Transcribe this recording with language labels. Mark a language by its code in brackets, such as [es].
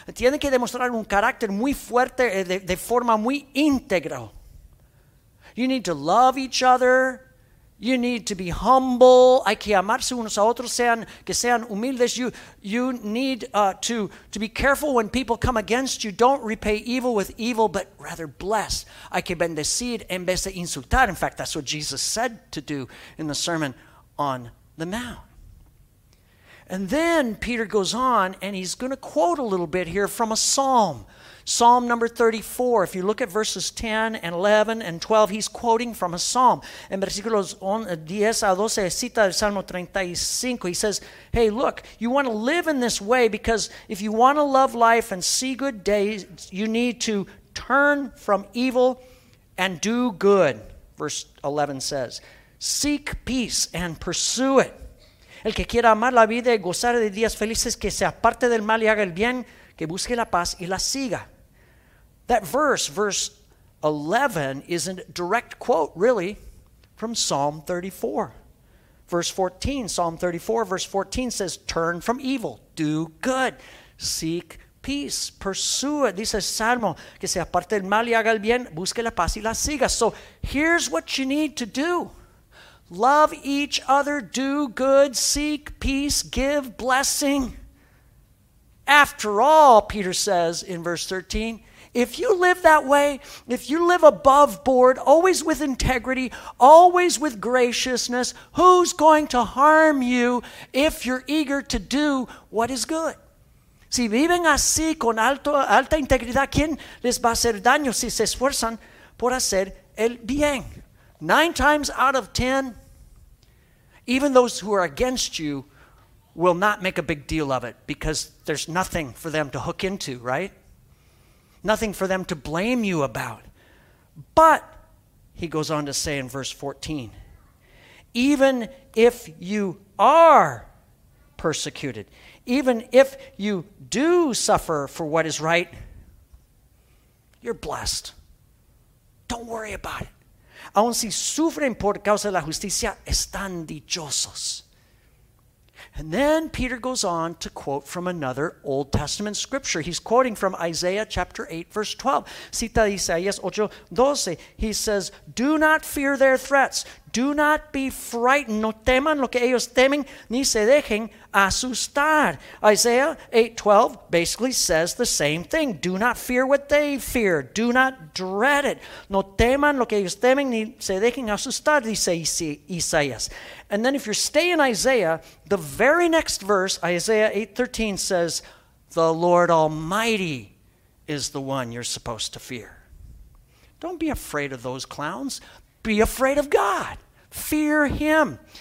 [es] Tiene que demostrar un carácter muy fuerte de forma muy íntegra. [en] You need to love each other. You need to be humble. [es] Hay que amarse unos a otros, que sean humildes. [en] You need to be careful when people come against you. Don't repay evil with evil, but rather bless. [es] Hay que bendecir en vez de insultar. [en] In fact, that's what Jesus said to do in the Sermon on the Mount. And then Peter goes on, and he's going to quote a little bit here from a psalm. Psalm number 34, if you look at verses 10 and 11 and 12, he's quoting from a psalm. [es] En versículos 10 a 12, cita el Salmo 35. [en] He says, hey, look, you want to live in this way because if you want to love life and see good days, you need to turn from evil and do good, verse 11 says. Seek peace and pursue it. [es] El que quiera amar la vida y gozar de días felices, que se aparte del mal y haga el bien, que busque la paz y la siga. [en] That verse 11, is a direct quote, really, from Psalm 34. Verse 14, Psalm 34, verse 14 says, turn from evil, do good, seek peace, pursue it. [es] Dice Salmo, que se aparte del mal y haga el bien, busque la paz y la siga. [en] So here's what you need to do. Love each other, do good, seek peace, give blessing. After all, Peter says in verse 13, if you live that way, if you live above board, always with integrity, always with graciousness, who's going to harm you if you're eager to do what is good? [es] Si viven así con alta integridad, ¿quién les va a hacer daño si se esfuerzan por hacer el bien? [en] 9 times out of 10, even those who are against you will not make a big deal of it because there's nothing for them to hook into, right? Nothing for them to blame you about. But, he goes on to say in verse 14, even if you are persecuted, even if you do suffer for what is right, you're blessed. Don't worry about it. [es] Aun si sufren por causa de la justicia, están dichosos. [en] And then Peter goes on to quote from another Old Testament scripture. He's quoting from Isaiah chapter 8, verse 12. [es] Cita Isaías 8, 12. [en] He says, do not fear their threats. Do not be frightened. [es] No teman lo que ellos temen, ni se dejen asustar. [en] Isaiah 8, 12 basically says the same thing. Do not fear what they fear. Do not dread it. [es] No teman lo que ellos temen, ni se dejen asustar, dice Isaías. [en] And then if you stay in Isaiah, the very next verse, Isaiah 8, 13 says, the Lord Almighty is the one you're supposed to fear. Don't be afraid of those clowns. Be afraid of God. Fear him.